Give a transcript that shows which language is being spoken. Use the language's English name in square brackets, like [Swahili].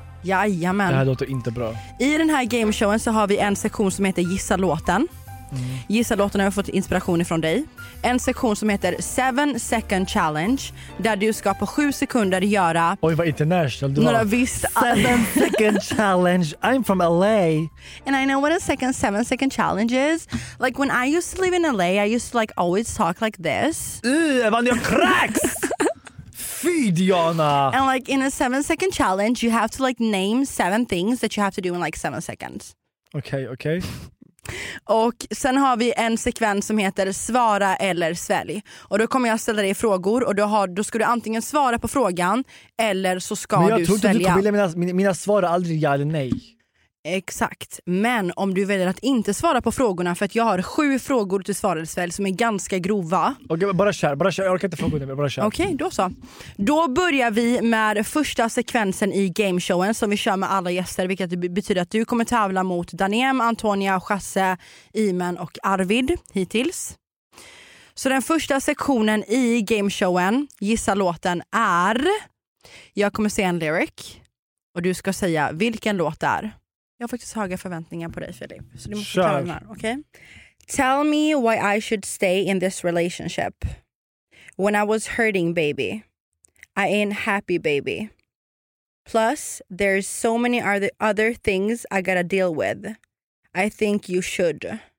[Swedish] Jajamän. Det här låter inte bra. I den här gameshowen så har vi en sektion som heter Gissa låten. Mm. Gissa låten har jag fått inspiration ifrån dig. En sektion som heter 7-second challenge, där du ska på 7 sekunder göra... Oj, vad international du några var. Visst... [English] 7-second challenge. I'm from LA. And I know what a second 7-second challenge is. Like when I used to live in LA, I used to like always talk like this. [Swedish] Vad jag cracks! Fy, Diana. [English] And like in a 7-second challenge you have to like name 7 things that you have to do in like 7 seconds. Okay, okay. [Swedish] Och sen har vi en sekvens som heter svara eller svälj. Och då kommer jag ställa dig frågor och då ska du antingen svara på frågan eller så ska du svälja. Men jag tror inte du kommer vilja mina svar aldrig ja eller nej. Exakt, men om du väljer att inte svara på frågorna, för att jag har 7 frågor till svara eller svälj som är ganska grova. Okej, bara kör, jag orkar inte frågor nu, bara kör. Okej, då så. Då börjar vi med första sekvensen i gameshowen som vi kör med alla gäster, vilket betyder att du kommer tävla mot Daniem, Antonia, Chasse, Imen och Arvid hittills. Så den första sektionen i gameshowen, gissa låten, är, jag kommer säga en lyric och du ska säga vilken låt det är. Jag har faktiskt höga förväntningar på dig, Filip. Så du måste klara den här, okej? [English] Tell me why I should stay in this relationship. When I was hurting, baby. I ain't happy, baby. Plus, there's so many other things I gotta deal with. I think you should.